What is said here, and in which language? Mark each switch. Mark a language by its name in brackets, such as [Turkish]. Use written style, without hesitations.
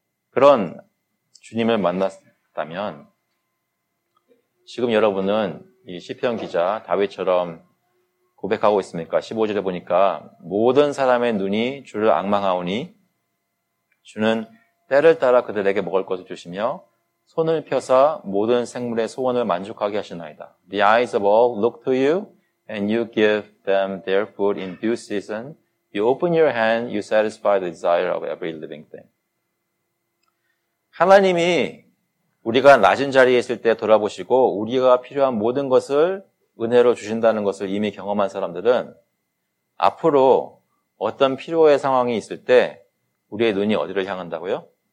[Korean] 그런 주님을 만났다면 지금 여러분은 이 시편 기자 다윗처럼 고백하고 있습니까? 15절에 보니까 모든 사람의 눈이 주를 앙망하오니 주는 때를 따라 그들에게 먹을 것을 주시며 손을 펴서 모든 생물의 소원을 만족하게 하시나이다. [English] The eyes of all look to you, and you give them their food in due season. You open your hand, you satisfy the desire of every living thing. [Korean] 하나님이 우리가 낮은 자리에 있을 때 돌아보시고 우리가 필요한 모든 것을 은혜로 주신다는 것을 이미 경험한 사람들은 앞으로 어떤 필요의 상황이 있을 때 우리의 눈이 어디를 향한다고요?